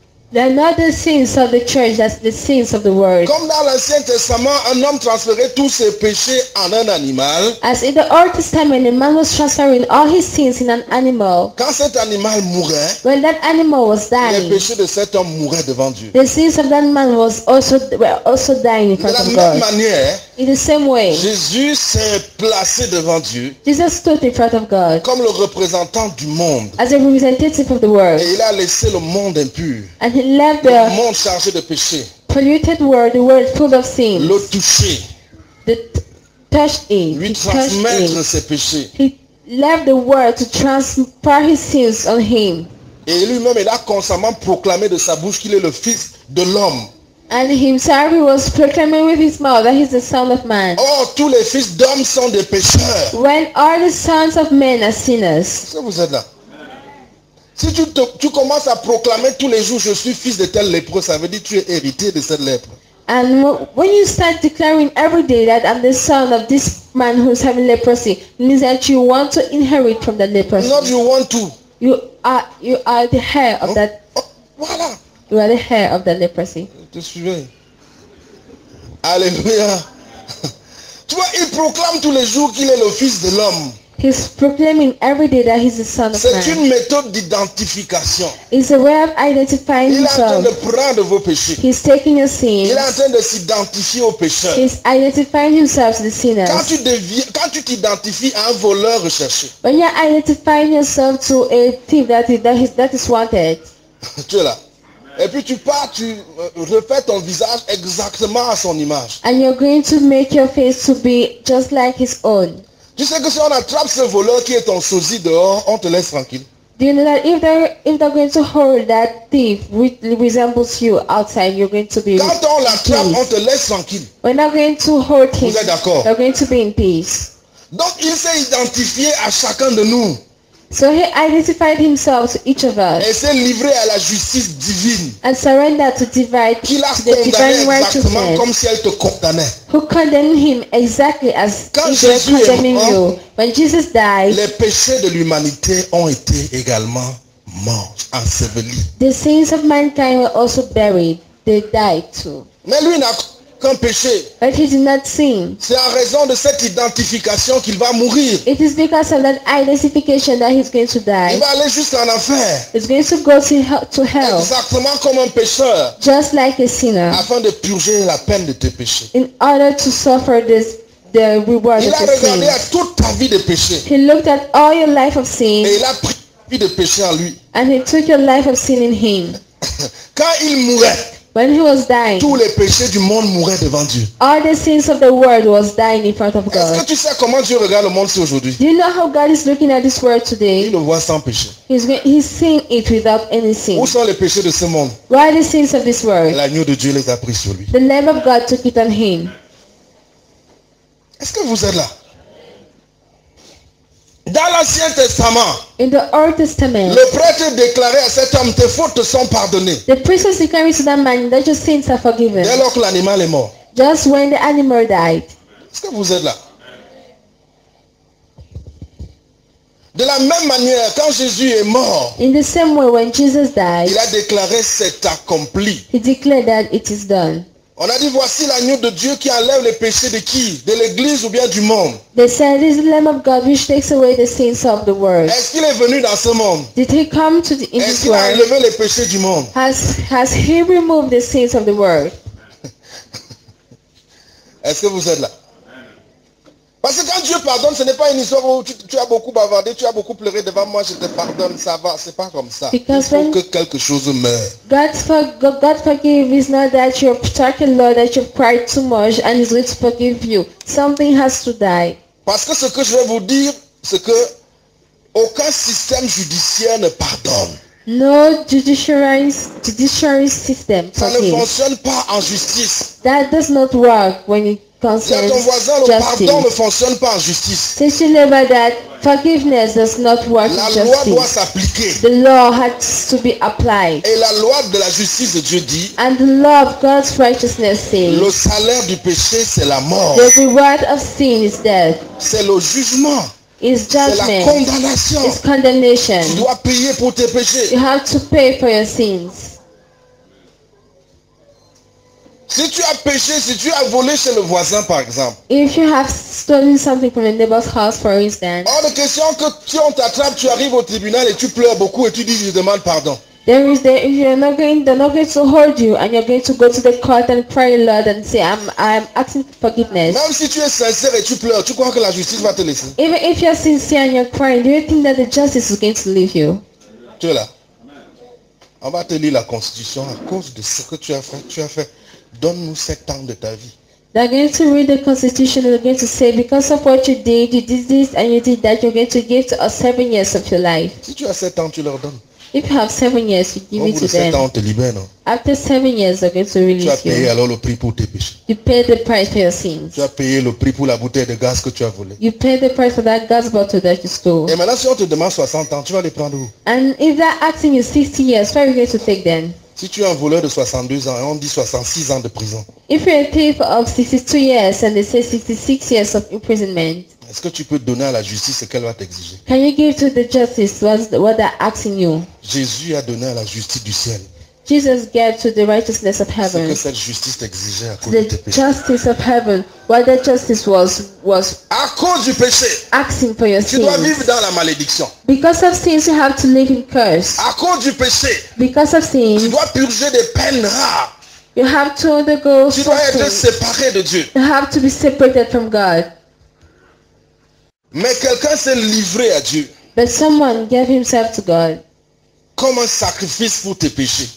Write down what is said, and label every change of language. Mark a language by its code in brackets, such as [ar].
[en] They're not the sins of the church, that's the sins of the world. [fr] Comme dans l'Ancien Testament, un homme transférait tous ses péchés en un animal. [en] As in the Old Testament, a man was transferring all his sins in an animal. [fr] Quand cet animal mourait, [en] when that animal was dying, [fr] les péchés de cet homme mouraient devant Dieu. [en] The sins of that man was also were also dying in front of God. [fr] De la même manière, [en] in the same way, [fr] Jésus s'est placé devant Dieu. [en] Jesus stood in front of God. [fr] Comme le représentant du monde. [en] As a representative of the world. [fr] Et il a laissé le monde impur. [en] And he left [fr] le monde chargé de péché. [en] Polluted world, the world full of sins. [fr] Le toucher. [en] Touched him. [fr] Lui transmettre ses péchés. [en] He left the world to transfer his sins on him. [fr] Et lui-même, il a constamment proclamé de sa bouche qu'il est le fils de l'homme. [en] And himself he was proclaiming with his mouth that he's the son of man. [fr] Oh, tous les fils d'hommes sont des pécheurs. [en] When all the sons of men are sinners. [fr] Ça vous êtes là. Si tu commences à proclamer tous les jours je suis fils de tel lépreux, ça veut dire que tu es héritier de cette lèpre. [en] And when you start declaring every day that I'm the son of this man who's having leprosy, means that you want to inherit from that leprosy. Not you want to. You are the heir of that. [fr] Oh, voilà. [en] You are the heir of that leprosy. [fr] Tu suis. Alléluia. Tu vois, il proclame tous les jours qu'il est le fils de l'homme. [en] He's proclaiming every day that he's the son of [fr] c'est [en] man. [fr] C'est une méthode d'identification. [en] It's a way of identifying [fr] il [en] himself. [fr] Il est en train de prendre vos péchés. [en] He's taking your sins. [fr] Il est en train de s'identifier aux pécheurs. [en] He's identifying himself to the sinners. [fr] Quand tu t'identifies à un voleur recherché. [en] When you're identifying yourself to a thief that is wanted. [fr] Tu es là. Et puis tu pars, tu refais ton visage exactement à son image. [en] And you're going to make your face to be just like his own. [fr] Tu sais que si on attrape ce voleur qui est ton sosie dehors, on te laisse tranquille. [en] Do you know that if they're going to hold that thief which resembles you outside, you're going to be [fr] quand on l'attrape, on te laisse tranquille. [en] When they're going to hold him, [fr] vous êtes d'accord? [en] They're going to be in peace. [fr] Donc il s'est identifié à chacun de nous. [en] So he identified himself to each of us. [fr] Et s'est livré à la justice divine. [en] And surrendered to divide [fr] qui l'a condamné [en] the divine [fr] exactement comme si elle te condamnait. [en] Who condemned him exactly as [fr] quand [en] he was condemning [fr] mort, [en] you. When Jesus died, [fr] les péchés de l'humanité ont été également morts, ensevelis. [en] The sins of mankind were also buried. They died too. [fr] Mais lui n'a qu'un péché. [en] But he did not sin. [fr] C'est en raison de cette identification qu'il va mourir. [en] It is because of that identification that he's going to die. [fr] Il va aller jusqu'en enfer. [en] He's going to go to hell. [fr] Exactement comme un pécheur. [en] Just like a sinner. [fr] Afin de purger la peine de tes péchés. [en] In order to suffer this the reward [fr] il [en] of your [fr] sins. Il a regardé à toute ta vie de péché. [en] He looked at all your life of sin. [fr] Et il a pris ta vie de péché en lui. [en] And he took your life of sin in him. [fr] Quand il mourait. [en] When he was dying, [fr] tous les péchés du monde mouraient devant Dieu. [en] All the sins of the world was dying in front of God. [fr] Est-ce que tu sais comment Dieu regarde le monde aujourd'hui? [en] Do you know how God is looking at this world today? [fr] Il le voit sans péché. [en] He's seeing it without any sin. [fr] Où sont les péchés de ce monde? [en] Where are the sins of this world? [fr] L'agneau de Dieu les a pris sur lui. [en] The Lamb of God took it on him. [fr] Est-ce que vous êtes là? Dans l'Ancien Testament, [en] in the Old Testament, [fr] le prêtre déclarait à cet homme, tes fautes sont pardonnées. [en] The priest was declaring to that man that your sins are forgiven. [fr] Dès lors que l'animal est mort. [en] Just when the animal died. [fr] Est-ce que vous êtes là? De la même manière, quand Jésus est mort, [en] in the same way, when Jesus died, [fr] il a déclaré, c'est accompli. [en] He declared that it is done. [fr] On a dit, voici l'agneau de Dieu qui enlève les péchés de qui? De l'église ou bien du monde? [en] They said, this is the Lamb of God which takes away the sins of the world. [fr] Est-ce qu'il est venu dans ce monde? [en] Did he come to the in [fr] Est-ce qu'il a enlevé les péchés du monde? [en] Has he removed the sins of the world? [fr] Est-ce que vous êtes là? Parce que quand Dieu pardonne, ce n'est pas une histoire où tu as beaucoup bavardé, tu as beaucoup pleuré devant moi, je te pardonne, ça va, c'est pas comme ça. [en] Because [fr] il faut que quelque chose meure. [en] God forgive is not that you're talking a lot, that you've cried too much and he's going to forgive you. Something has to die. [fr] Parce que ce que je vais vous dire, c'est que aucun système judiciaire ne pardonne. [en] No judiciary system. [fr] Ça ne fonctionne pas en justice. [en] That does not work when it concerns [fr] ton voisin, [en] justice. [fr] Le pardon ne fonctionne pas en justice. [en] Since you never that forgiveness does not work [fr] la [en] in justice. [fr] La loi doit s'appliquer. [en] The law has to be applied. [fr] Et la loi de la justice de Dieu dit. [en] And the law of God's righteousness says. [fr] Le salaire du péché c'est la mort. [en] The reward of sin is death. [fr] C'est le jugement. [en] Is judgment. [fr] C'est la condamnation. [en] It's condemnation. [fr] Tu dois payer pour tes péchés. [en] You have to pay for your sins. [fr] Si tu as péché, si tu as volé chez le voisin, par exemple. [en] If you have stolen something from the neighbor's house, for instance. [fr] Hors de question que si on t'attrape, tu arrives au tribunal et tu pleures beaucoup et tu dis je demande pardon. [en] There is the if you're not going, they're not going to hold you, and you're going to go to the court and pray a lot and say, I'm asking for forgiveness. [fr] Même si tu es sincère et tu pleures, tu crois que la justice va te laisser? [en] Even if you're sincere and you're crying, do you think that the justice is going to leave you? [fr] Tu es là. On va te lire la Constitution à cause de ce que tu as fait. Tu as fait. Donne-nous 7 ans de ta vie. [en] They're going to read the Constitution. They're going to say, because of what you did this and you did that, you're going to give to us 7 years of your life. [fr] Si tu as 7 ans, tu leur donnes. [en] If you have 7 years, you give [fr] au [en] it to them. [fr] Ans, te libère, non? [en] After 7 years, they're going to release [fr] tu as payé [en] you. [fr] Alors le prix pour tes péchés. [en] You pay the price for your sins. [fr] Tu as payé le prix pour la bouteille de gaz que tu as volé. [en] You pay the price for that gas bottle that you stole. [fr] Et maintenant, si on te demande 60 ans, tu vas les prendre où? [en] And if they're asking you 60 years, where are you going to take them? [fr] Si tu es un voleur de 62 ans, on dit 66 ans de prison. [en] If you're a thief of 62 years and they say 66 years of imprisonment. [fr] Est-ce que tu peux donner à la justice ce qu'elle va t'exiger? [en] Can you give to the justice what they're asking you? [fr] Jésus a donné à la justice du ciel. [en] Jesus gave to the righteousness of heaven. [fr] Ce que cette justice t'exigeait à cause [en] the [fr] de tes péchés. [en] Justice of heaven, what that justice was [fr] à cause du péché. [en] Asking for your [fr] tu [en] sins. [fr] Tu dois vivre dans la malédiction. [en] Because of sins, you have to live in curse. [fr] À cause du péché. [en] Because of sins. [fr] Tu dois purger des peines rares. [en] You have to undergo. [fr] Tu dois être séparé de Dieu. [en] You have to be separated from God. [fr] Mais quelqu'un s'est livré à Dieu. [en] But someone gave himself to God. [fr] Comme un sacrifice pour tes péchés.